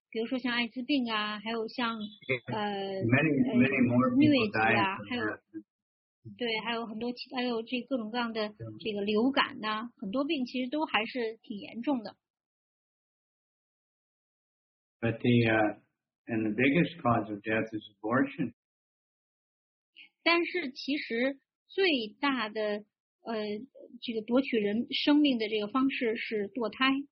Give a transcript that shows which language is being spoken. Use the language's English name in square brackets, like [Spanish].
[Chinese] 比如说像艾滋病啊，还有像 [English] many more people died [Chinese] 啊，还有对，还有很多其还有这各种各样的这个流感呐、啊，很多病其实都还是挺严重的。 [English] But the and the biggest cause of death is abortion. [Chinese] 但是其实最大的这个夺取人生命的这个方式是堕胎。